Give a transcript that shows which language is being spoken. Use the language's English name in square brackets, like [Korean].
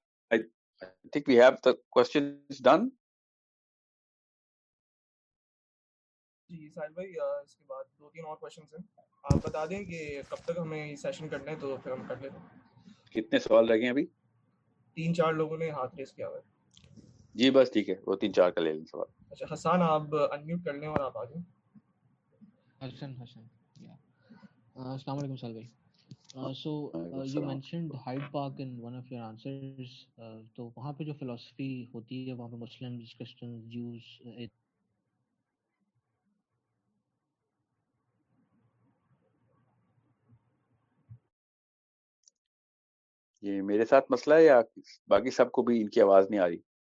[English] I think we have the questions done. [Hindi] जी साहिल भाई, इसके बाद दो तीन और क्वेश्चंस हैं. आप बता दें कि कब तक हमें ये सेशन करना है, तो फिर हम कर लेते हैं. कितने सवाल रह गए हैं अभी? तीन चार लोगों ने हाथ रेस किया हुआ है. जी बस ठीक है, वो तीन चार का ले लें सवाल. अच्छा हसन, आप अनम्यूट कर लें और आप आ जाएं. हसन हसन, या अस्सलाम वालेकुम साहिल भाई. [English] You mentioned Hyde Park in one of your answers. [Hindi] So वहाँ पे जो philosophy होती है, वहाँ पे Muslims, Christians, Jews, ये मेरे साथ मसला है या बाकी सबको भी इनकी आवाज नहीं आ रही?